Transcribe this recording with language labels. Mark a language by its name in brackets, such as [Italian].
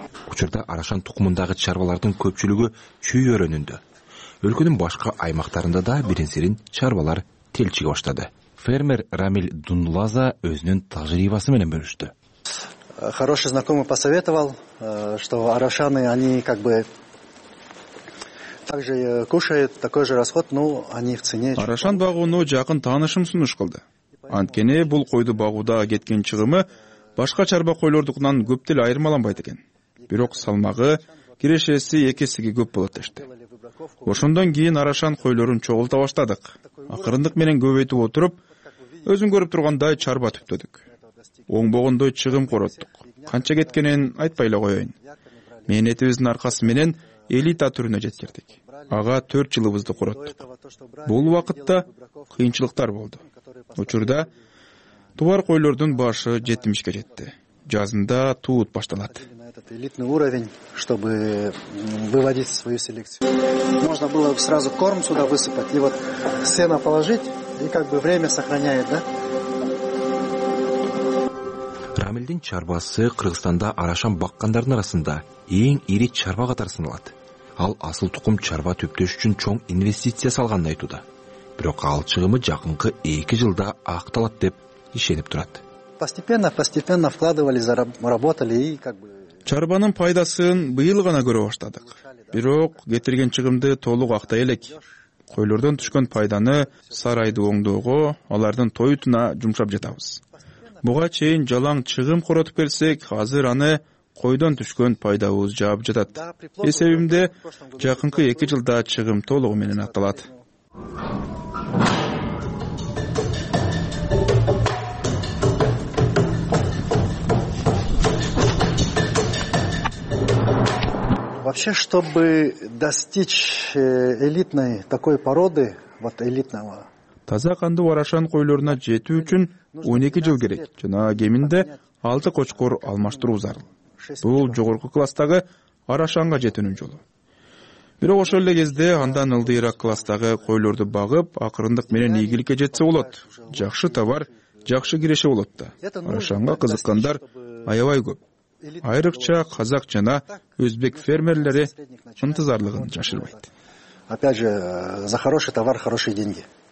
[Kyrgyz] Учурда арашан тукумундагы чарбалардын көпчүлүгү чүй өрөнүндө. Өлкөнүн башка аймактарында да биринсерин чарбалар телчиге баштады. Фермер Рамил Дунлаза өзүнүн тажрыйбасы менен бөлүштү. [Russian] Хороший знакомый посоветовал, что арашаны, они как бы также кушают, такой же расход, но они в цене. [Kyrgyz] Арашан багууну жакын таанышым сунуш кылды. Анткени бул койду багууда кеткен чыгымы башка чарба койлордукунан көп деле айырмаланбайт экен. Бирок салмагы кирешеси эки эсеге көп болот дешти. Ошондон кийин арашан койлорун чогулта баштадык. Акырындык менен көбөйтүп отуруп, өзүн көрүп тургандай чарба түптөдүк. Оңбогондой чыгым короттук. Канча кеткенин айтпай эле коёюн. Мээнетибиздин аркасы менен элита түрүнө жеткирдик. Ага 4 жылыбызды короттук. Бул убакытта кыйынчылыктар болду. Учурда тубар койлордун башы 70ке жетти. Жазында туут башталат. [Russian] Элитный уровень, чтобы выводить свою селекцию. Можно было сразу корм сюда высыпать и вот сено положить и как бы время сохраняет, да? [Kyrgyz] Рамилдин чарбасы Кыргызстанда арашан баккандардын арасында эң ири чарба катары саналат. Ал асыл тукум чарба түптөш үчүн чоң инвестиция салганын айтууда. Бирок ал чыгымы жакынкы 2 жылда акталат деп ишенип турат. [Russian] Постепенно вкладывали, заработали и как бы [Kyrgyz] чарбанын пайдасын быйыл гана көрө баштадык. Бирок кетирген чыгымды толук актай элек. Койлордон түшкөн пайданы сарайды оңдоого, алардын тоютуна жумшап жатабыз. Буга чейин жалаң чыгым коротуп келсек, азыр аны койдон түшкөн пайдабыз жаап жатат. Эсебимде жакынкы 2 жылда чыгым толугу менен акталат. [Russian] Вообще, чтобы достичь элитной такой породы, вот элитного. [Kyrgyz] Таза кандуу арашан койлоруна жетүү үчүн 12 жыл керек жана кеминде 6 кочкор алмаштыруу зарыл. Бул жогорку класстагы арашанга жетүүнүн жолу. Бирок ошол эле кезде андан ылдыйраак класстагы койлорду багып, акырындык менен ийгиликке жетсе болот. Жакшы товар, жакшы киреше болот да. Арашанга кызыккандар аябай көп. Айрыкча казак жана өзбек фермерлери ынтызарлыгын жашырбайт. [Russian] Опять же, за хороший товар хорошие деньги.